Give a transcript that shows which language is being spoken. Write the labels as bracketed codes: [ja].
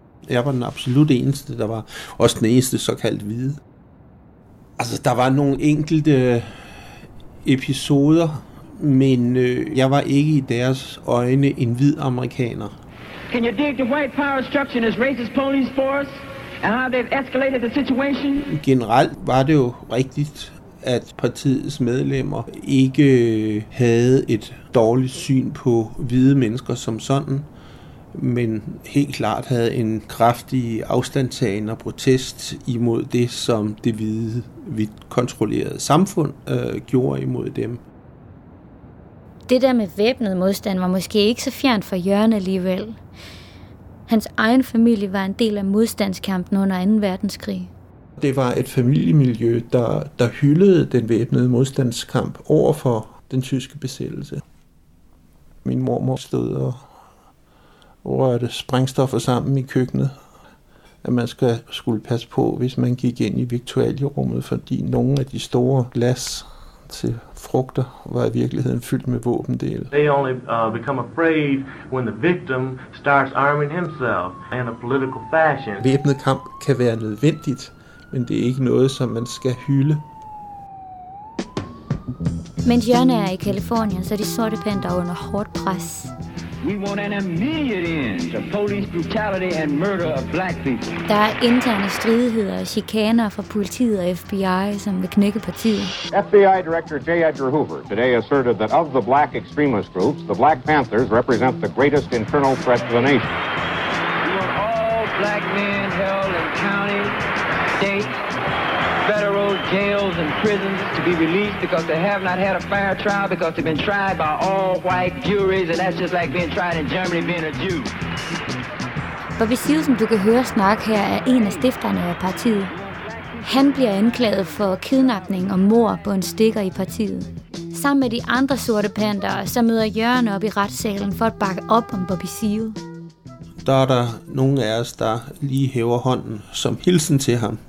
[da] Jeg var den absolut eneste, der var også den eneste såkaldt hvide. Altså, der var nogle enkelte episoder, men jeg var ikke i deres øjne en hvid amerikaner. [en] Can you dig the white power structure as racist police force and how they've escalated the situation? [da] Generelt var det jo rigtigt, at partiets medlemmer ikke havde et dårligt syn på hvide mennesker som sådan, men helt klart havde en kraftig afstandtagen og protest imod det, som det hvide, vidt kontrollerede samfund gjorde imod dem. Det der med væbnet modstand var måske ikke så fjernt for Jørgen alligevel. Hans egen familie var en del af modstandskampen under 2. verdenskrig. Det var et familiemiljø, der hyldede den væbnede modstandskamp over for den tyske besættelse. Min mormor stod og rørte sprængstoffer sammen i køkkenet, at man skulle passe på, hvis man gik ind i viktualierummet, fordi nogle af de store glas til frugter var i virkeligheden fyldt med våbendele. [en] They only become afraid when the victim starts arming himself in a political fashion. [da] Væbnet kamp kan være nødvendigt, men det er ikke noget, som man skal hylde. Mens Jørgen er i Kalifornien, så er de sorte pandere under hårdt pres. [en] We want an immediate end to police brutality and murder of black people. [da] Der er interne stridigheder og chikaner fra politiet og FBI, som vil knække partiet. [en] FBI director J. Edgar Hoover today asserted that of the black extremist groups, the Black Panthers represent the greatest internal threat to the nation. We want all black men held in county, state, federal jails and prisons to be released because they have not had a fair trial because they've been tried by all white juries, and that's just like being tried in Germany being a Jew. [da] Bobby Seale, som du kan høre snak her, er en af stifterne af partiet. Han bliver anklaget for kidnapning og mord på en stikker i partiet. Sammen med de andre sorte panter, så møder Jørgen op i retssalen for at bakke op om Bobby Seale. Der er der nogle af os, der lige hæver hånden som hilsen til ham.